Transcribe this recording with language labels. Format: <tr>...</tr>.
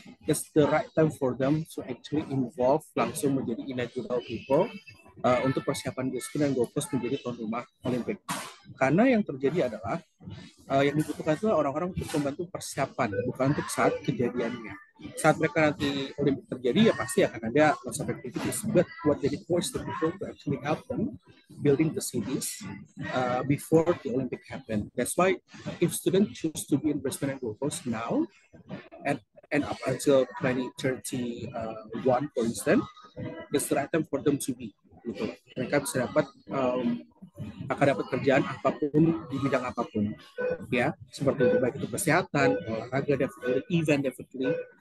<en>It's the right time for them to actually involve</en> <id>langsung menjadi inaugural people untuk persiapan Brisbane dan Gold Coast menjadi tuan rumah</id> <en>Olympic.</en> <id>Karena yang terjadi adalah yang dibutuhkan itu orang-orang untuk membantu persiapan, bukan untuk saat kejadiannya. Saat mereka nanti Olympic terjadi, ya pasti akan ada</id> <en>lots of activities. But what they force the people to actually help them building the cities before the Olympic happen. That's why if students choose to be in Brisbane and Gold Coast now and up until 2031, for instance, it's the right time for them to be.</en> <id>Gitu. Mereka bisa dapat akan dapat kerjaan apapun di bidang apapun, ya seperti itu, baik itu kesehatan, olahraga, definitely, event, definitely</id>